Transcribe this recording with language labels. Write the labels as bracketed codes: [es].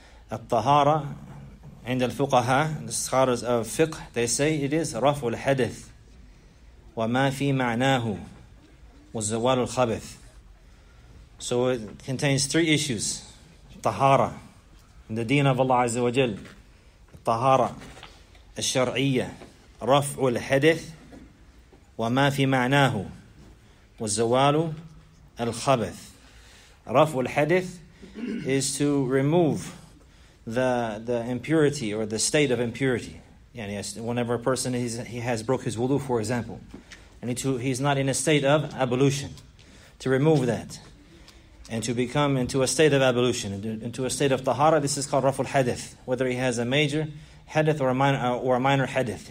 [en] At-tahara, [ar] عند الفقهاء, [en] the scholars of fiqh, they say it is [ar] رفع الحدث وما في معناه والزوال الخبث. [en] So it contains three issues. Tahara, in the deen of Allah Azza wa Jal. [ar] Tahara, الشرعية, رفع الحدث وما في معناه والزوال الخبث. رفع الحدث [en] is to remove the impurity or the state of impurity. Yani whenever a person he has broke his wudu, for example, and he's not in a state of ablution, to remove that and to become into a state of ablution, into a state of tahara, this is called rafu al-hadith, whether he has a major hadith or a minor hadith.